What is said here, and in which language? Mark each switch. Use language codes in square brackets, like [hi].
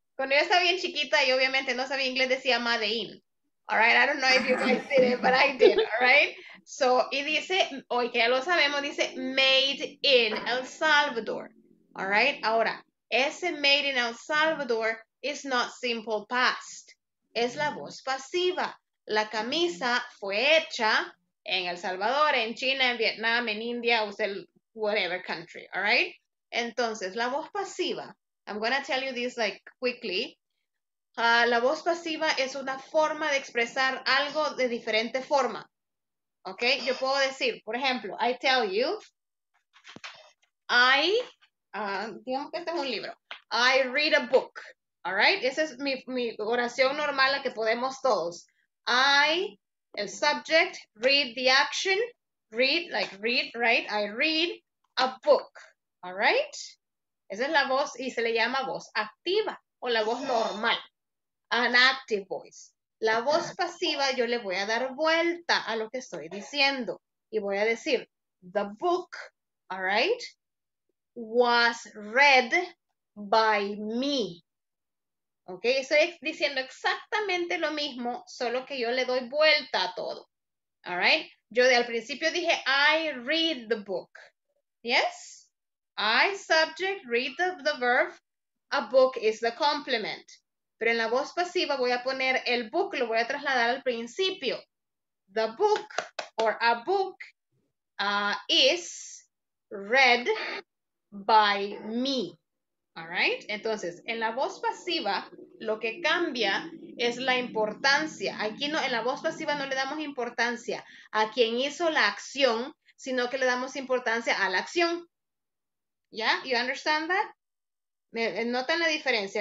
[es] Cuando yo estaba bien chiquita y obviamente no sabía inglés, decía Made in. [en] All right, I don't know if you guys did it, but I did, all right? [es] So, y dice, hoy que ya lo sabemos, dice Made in El Salvador. [en] All right, [es] ahora, ese [en] Made in El Salvador is not simple past. [es] Es la voz pasiva. La camisa fue hecha en El Salvador, en China, en Vietnam, en India, o sea, [en] whatever country, all right? [es] Entonces, la voz pasiva, [en] I'm going to tell you this like quickly. [es] La voz pasiva es una forma de expresar algo de diferente forma. Okay, yo puedo decir, por ejemplo, [en] I tell you, I, [es] digamos que este es un libro, [en] I read a book, all right? [es] Esa es mi oración normal, la que podemos todos. [en] I, el subject, read the action, read, like read, right? I read a book, all right? [es] Esa es la voz y se le llama voz activa o la voz normal, [en] an active voice. [es] La voz pasiva, yo le voy a dar vuelta a lo que estoy diciendo y voy a decir, the book, all right, was read by me. Ok, estoy diciendo exactamente lo mismo, solo que yo le doy vuelta a todo. [en] All right, [es] yo de al principio dije, [en] I read the book. Yes, I subject, read the verb, a book is the complement. [es] Pero en la voz pasiva voy a poner el book, lo voy a trasladar al principio. [en] The book or a book is read by me. All right? [es] Entonces, en la voz pasiva lo que cambia es la importancia. Aquí no, en la voz pasiva no le damos importancia a quien hizo la acción, sino que le damos importancia a la acción. [en] ¿Ya? Yeah? You understand that? [es] Notan la diferencia.